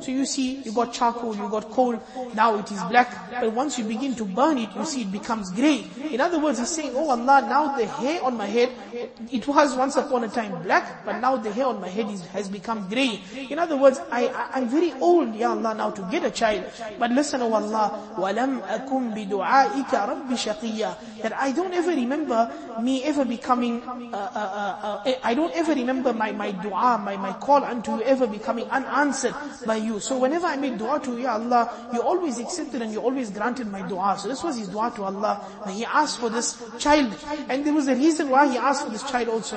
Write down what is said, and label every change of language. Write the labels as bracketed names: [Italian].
[English] So you see, you got charcoal, you got coal. Now it is black. But once you begin to burn it, you see it becomes gray. In other words, he's saying, oh Allah, now the hair on my head, it was once upon a time black, but now the hair on my head has become gray. In other words, I'm very old, Ya Allah, now to get a child. [Arabic] But listen, oh Allah, وَلَمْ أَكُمْ بِدُعَائِكَ رَبِّ شَقِيَّ. [English] That I don't ever remember me ever becoming, I don't ever remember my dua, my call unto you ever becoming unanswered by you. So whenever I made dua to you, Ya Allah, you always accepted and you always granted my dua. So this was his dua to Allah. He asked for this child. And there was a reason why he asked for this child also.